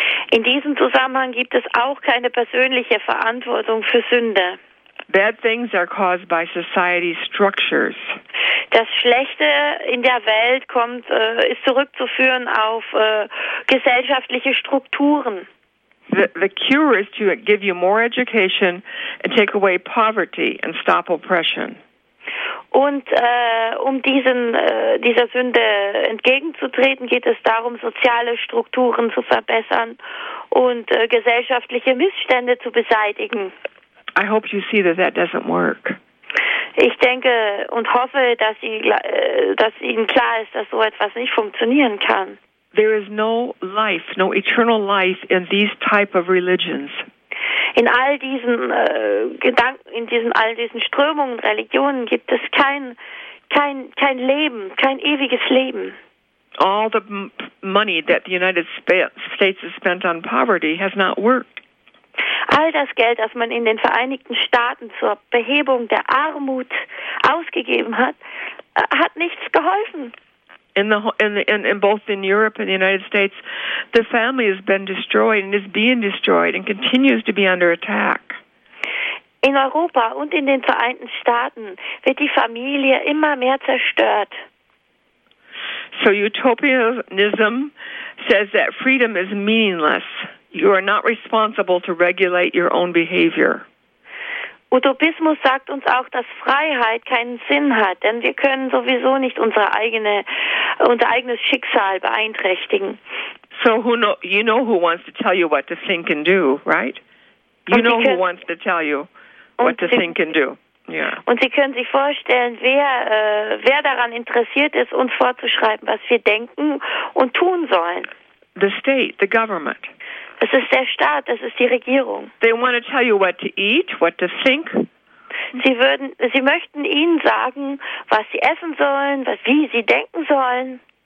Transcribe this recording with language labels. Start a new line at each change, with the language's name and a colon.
German: In diesem Zusammenhang gibt es auch keine persönliche Verantwortung für Sünde.
English: Bad things are caused by society structures.
German: Das Schlechte in der Welt ist zurückzuführen auf gesellschaftliche Strukturen.
English: The cure is to give you more education and take away poverty and stop oppression.
German: Und dieser Sünde entgegenzutreten, geht es darum, soziale Strukturen zu verbessern und gesellschaftliche Missstände zu beseitigen.
English: I hope you see that that doesn't work.
German: Ich denke und hoffe, dass Ihnen klar ist, dass so etwas nicht funktionieren kann.
English: There is no life, no eternal life in these type of religions.
German: In all diesen Gedanken, all diesen Strömungen, Religionen gibt es kein Leben, kein ewiges Leben.
English: All the money that the United States has spent on poverty has not worked.
German: All das Geld, das man in den Vereinigten Staaten zur Behebung der Armut ausgegeben hat, hat nichts geholfen.
English: In both in Europe and the United States, the family has been destroyed and is being destroyed and continues to be under attack.
German: In Europa und in den Vereinigten Staaten wird die Familie immer mehr zerstört.
English: So utopianism says that freedom is meaningless. You are not responsible to regulate your own behavior.
German: Utopismus sagt uns auch, dass Freiheit keinen Sinn hat, denn wir können sowieso nicht unser eigenes Schicksal beeinträchtigen.
English: So you know who wants to tell you what to think and do, right? You know who wants to tell you what to think and do.
German: Und Sie können sich vorstellen, wer daran interessiert ist, uns vorzuschreiben, was wir denken und tun sollen.
English: The state, the government.
German: Es ist der Staat, es ist die Regierung.
English: They want to tell you what to eat, what to think.
German: Sie möchten ihnen sagen, was sie essen sollen, wie sie denken sollen.